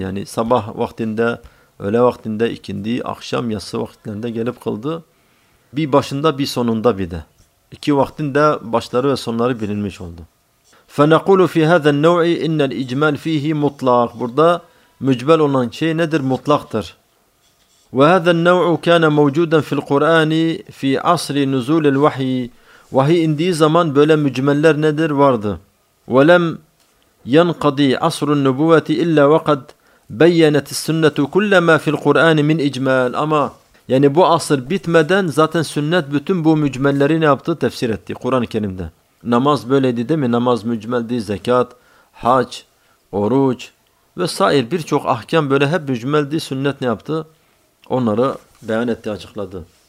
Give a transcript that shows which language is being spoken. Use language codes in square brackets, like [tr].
[tr] Yani sabah vaktinde, öğle vaktinde, ikindi, akşam, yatsı vaktinde gelip kıldı. Bir başında, bir sonunda bir de. İki vaktin de başları ve sonları bilinmiş oldu. [ar] فَنَقُولُ فِي هَذَا النَّوْعِ اِنَّ الْاِجْمَالِ ف۪يهِ مُطْلَقٍ. [tr] Burada mücbel olan şey nedir? Mutlaktır. [ar] وهذا النوع كان موجودا في القرآن في عصر نزول الوحي. وهي [tr] indiği zaman böyle mücmeller nedir vardı. [ar] ولم ينقضي عصر النبوة إلا وقد بينت السنة كل ما في القرآن من إجمال. [tr] Ama yani bu asır bitmeden zaten sünnet bütün bu mücmelleri ne yaptı? Tefsir etti Kur'an-ı Kerim'de. Namaz böyleydi değil mi? Namaz mücmeldi, zekat, hac, oruç vesaire birçok ahkam böyle hep mücmeldi. Sünnet ne yaptı? Onları beyan etti, açıkladı.